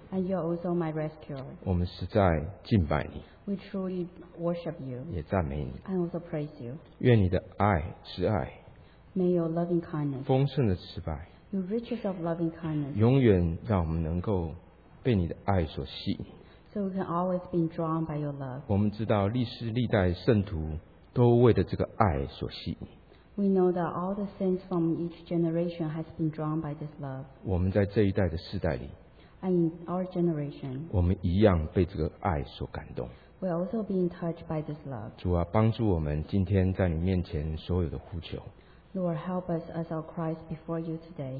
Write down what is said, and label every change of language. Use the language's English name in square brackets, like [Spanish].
[English] And you are also my rescuer. [Chinese] 我们实在敬拜你。 [English] We truly worship you. [Chinese] 也赞美你。 [English] And also praise you. [Chinese] 愿你的爱是爱。 [English] May your loving kindness, [Chinese] 丰盛的慈爱, [English] your riches of loving kindness, [Chinese] 永远让我们能够被你的爱所吸引, [English] so we can always be drawn by your love. [Chinese] 我们知道历世历代圣徒都为了这个爱所吸引, [English] we know that all the saints from each generation has been drawn by this love. [Chinese] 我们在这一代的世代里, [English] and in our generation, [Chinese] 我们一样被这个爱所感动, [English] we are also being touched by this love. [Chinese] 主啊，帮助我们今天在你面前所有的呼求。 [English] Lord, help us as our cries before you today.